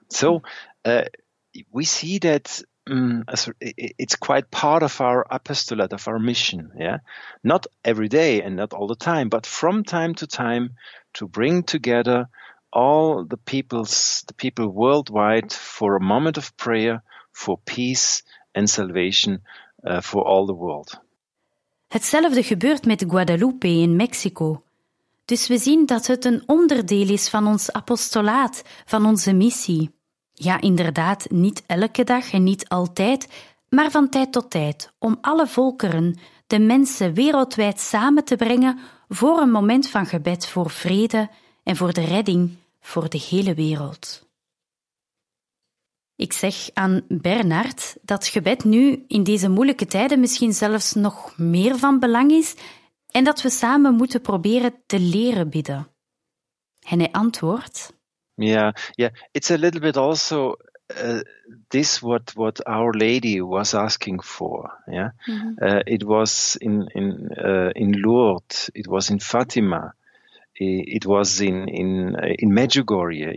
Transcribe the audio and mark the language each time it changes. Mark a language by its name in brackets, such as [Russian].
[English] So we see that it's quite part of our apostolate, of our mission. Yeah, not every day and not all the time, but from time to time, to bring together all the people worldwide for a moment of prayer for peace and salvation for all the world." [Dutch] Hetzelfde gebeurt met Guadalupe in Mexico. Dus we zien dat het een onderdeel is van ons apostolaat, van onze missie. Ja, inderdaad, niet elke dag en niet altijd, maar van tijd tot tijd, om alle volkeren, de mensen wereldwijd samen te brengen voor een moment van gebed voor vrede en voor de redding voor de hele wereld. Ik zeg aan Bernard dat gebed nu in deze moeilijke tijden misschien zelfs nog meer van belang is en dat we samen moeten proberen te leren bidden. En hij antwoordt: [English] Yeah, it's a little bit also this what Our Lady was asking for. Yeah, mm-hmm. It was in Lourdes, it was in Fatima, it was in Medjugorje.